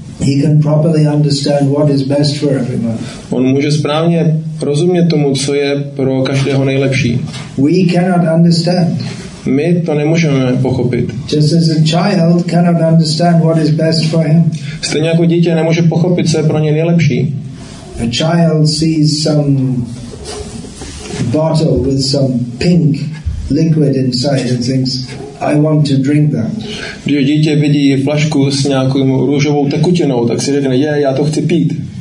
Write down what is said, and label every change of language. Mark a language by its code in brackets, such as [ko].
[en] He can properly understand what is best for everyone. [cs] On může správně rozumět tomu, co je pro každého nejlepší. [en] We cannot understand. [cs] My to nemůžeme pochopit. [en] Just as a child cannot understand what is best for him. [cs] Stejně jako dítě nemůže pochopit, co je pro ně nejlepší. [en] A child sees some bottle with some pink liquid inside and thinks, I want to drink that. [cs] Když dítě vidí flašku s nějakou růžovou tekutinou, tak si řekne, je, já to chci pít.